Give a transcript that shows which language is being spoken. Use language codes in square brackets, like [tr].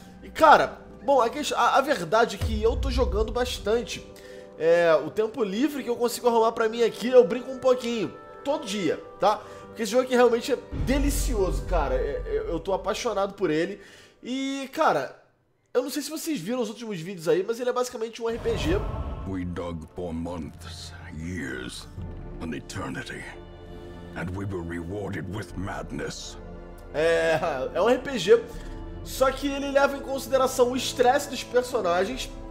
[pt] E, cara, bom, a verdade é que eu tô jogando bastante. É, o tempo livre que eu consigo arrumar pra mim aqui, eu brinco um pouquinho, todo dia, tá? Porque esse jogo aqui realmente é delicioso, cara. Eu tô apaixonado por ele. E, cara, eu não sei se vocês viram os últimos vídeos aí, mas ele é basicamente um RPG. [en] We dug for months, years, an eternity. And we were rewarded with madness. [pt] É um RPG. Só que ele leva em consideração o estresse dos personagens.